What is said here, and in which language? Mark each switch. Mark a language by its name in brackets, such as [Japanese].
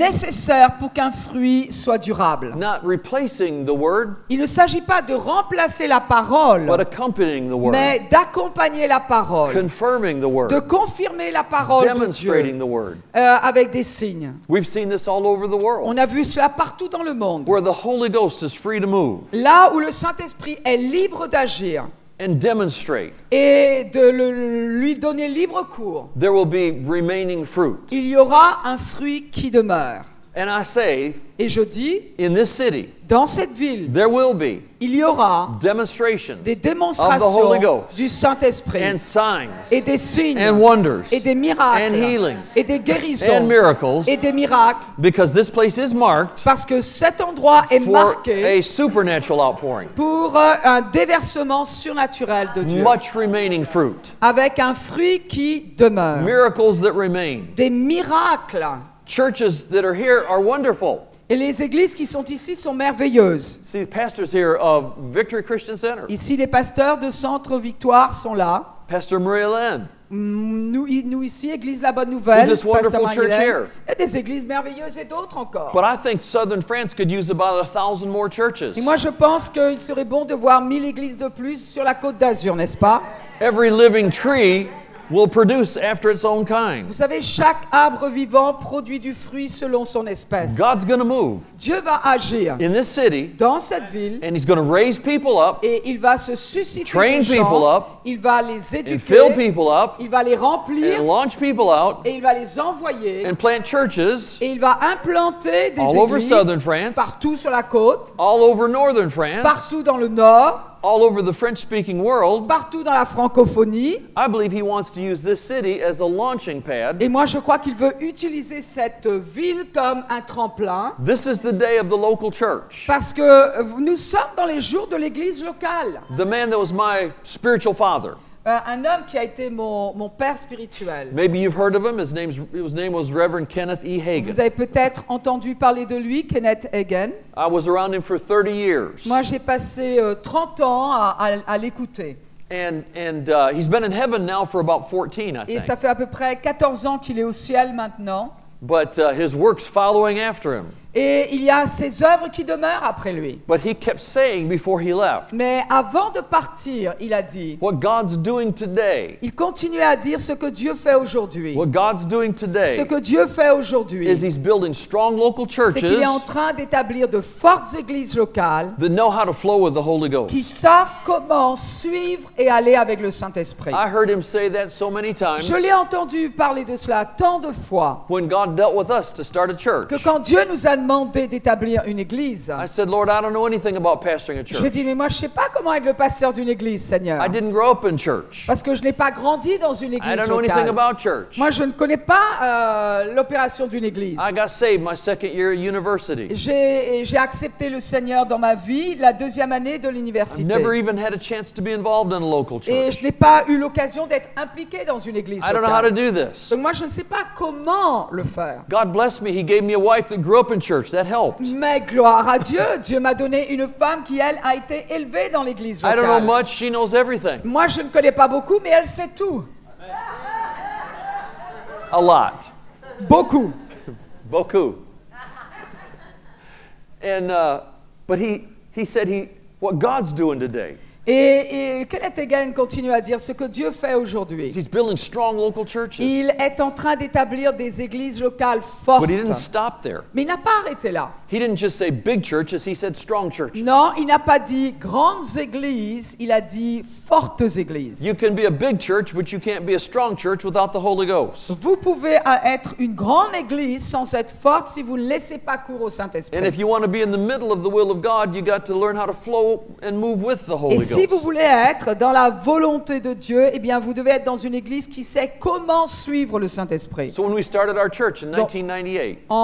[French] nécessaire pour qu'un fruit soit durable. [English] Not replacing the word, [French] il ne s'agit pas de remplacer la parole, [English] but accompanying the word, [French] mais d'accompagner la parole, [English] confirming the word, [French] de confirmer la parole, [English] demonstrating [French] de Dieu, [English] the word, [French] avec des signes. [English] We've seen this all over the world, [French] on a vu cela partout dans le monde, [English] where the Holy Ghost is free to move, [French] là où le Saint-Esprit est libre d'agir. [English] And demonstrate. [French] Et de lui donner libre cours. [English] There will be remaining fruit. [French] Il y aura un fruit qui demeure. [English] And I say. [French] Et je dis. [English] In this city. [French] Dans cette ville. [English] There will be. [French] Il y aura. [English] Demonstrations. [French] Des démonstrations. [English] Of the Holy Ghost. [French] Du Saint-Esprit. [English] And signs. [French] Et des signes. [English] And wonders. [French] Et des miracles. [English] And healings. [French] Et des guérisons. [English] And miracles. [French] Et des miracles. [English] Because this place is marked. [French] Parce que cet endroit est marqué. [English] For a supernatural outpouring. [French] Pour un déversement surnaturel de Dieu. [English] Much remaining fruit. [French] Avec un fruit qui demeure. [English] Miracles that remain. [French] Des miracles. [English] Churches that are here are wonderful. [French] Et les églises qui sont ici sont merveilleuses. [English] See, pastors here of Victory Christian Center. [French] Ici, les pasteurs de Centre Victoire sont là. [English] Pastor Marie Hélène. [French] Nous ici, Église La Bonne Nouvelle. [English] This wonderful church here. [French] Et des églises merveilleuses et d'autres encore. [English] But I think Southern France could use about 1,000 more churches. [French] Et moi, je pense qu'il serait bon de voir 1,000 églises de plus sur la Côte d'Azur, n'est-ce pas? [English] Every living tree will produce after its own kind. [French] Vous savez, chaque arbre vivant produit du fruit selon son espèce. [English] God's going to move. [French] Dieu va agir. [English] In this city. [French] Dans cette ville. [English] And he's going to raise people up. [French] Et il va se susciter des gens. [English] Train people up. [French] Il va les éduquer. [English] And fill people up. [French] Il va les remplir. [English] And launch people out. [French] Et il va les envoyer. [English] And plant churches. [French] Et il va implanter des églises. [English] All over southern France. [French] Partout sur la côte. [English] All over northern France. [French] Partout dans le nord. [English] All over the French-speaking world. [French] Partout dans la francophonie. [English] I believe he wants to use this city as a launching pad. [French] Et moi, je crois qu'il veut utiliser cette ville comme un tremplin. [English] This is the day of the local church. [French] Parce que nous sommes dans les jours de l'église locale. [English] The man that was my spiritual father. [French] Un homme qui a été mon père spirituel. [English] Maybe you've heard of him. His name was Reverend Kenneth E. Hagin. [French] Vous avez peut-être entendu parler de lui, Kenneth Hagin. [English] I was around him for 30 years. [French] Moi, j'ai passé 30 ans à l'écouter. [English] And he's been in heaven now for about 14, I think. [French] Et ça fait à peu près 14 ans qu'il est au ciel maintenant. [English] But his work's following after him. [French] Et il y a ses œuvres qui demeurent après lui. [English] But he kept saying before he left. [French] Mais avant de partir, il a dit. [English] What God's doing today. [French] Il continuait à dire ce que Dieu fait aujourd'hui. [English] What God's doing today. [French] Ce que Dieu fait aujourd'hui. [English] Is he's building strong local churches. [French] C'est qu'il est en train d'établir de fortes églises locales. [English] That know how to flow with the Holy Ghost. [French] Qui savent comment suivre et aller avec le Saint-Esprit. [English] I heard him say that so many times. [French] Je l'ai entendu parler de cela tant de fois. [English] When God dealt with us to start a church. [French] Que quand Dieu nous a demandé d'établir une église. [English] I said, Lord, I don't know anything about pastoring a church. [French] Je dis, mais moi, je sais pas comment être le pasteur d'une église, Seigneur. [English] I didn't grow up in church. [French] Parce que je n'ai pas grandi dans une église. [English] I don't know [French] locale. [English] Anything about church. [French] Moi, je ne connais pas l'opération d'une église. [English] I got saved my second year at university. [French] J'ai accepté le Seigneur dans ma vie la deuxième année de l'université. [English] I've never even had a chance to be involved in a local church. [French] Et je n'ai pas eu l'occasion d'être impliqué dans une église locale. [English] I don't know how to do this. [French] Donc moi, je ne sais pas comment le faire. [English] God bless me. He gave me a wife that grew up in church that helped. [French] Mais gloire à Dieu, Dieu m'a donné une femme qui elle a été élevée dans l'église locale. [English] I don't know much, she knows everything. [French] Moi je ne connais pas beaucoup mais elle sait tout. [English] A lot. [French] Beaucoup. Beaucoup. [English] And but he said he what God's doing today. [French] Et Kenneth Hagin continue à dire ce que Dieu fait aujourd'hui. [English] He's building strong local churches. [French] Il est en train d'établir des églises locales fortes. [English] But he didn't stop there. [French] Mais il n'a pas arrêté là. [English] He didn't just say big churches, he said strong churches. [French] Non, il n'a pas dit grandes églises, il a dit fortes églises. [English] You can be a big church, but you can't be a strong church without the Holy Ghost. [French] Vous pouvez être une grande église sans être forte si vous ne laissez pas cours au Saint-Esprit. [English] And if you want to be in the middle of the will of God, you got to learn how to flow and move with the Holy Ghost. [French] Si vous voulez être dans la volonté de Dieu, eh bien, vous devez être dans une église qui sait comment suivre le Saint-Esprit. [English] So when we started our church in 1998.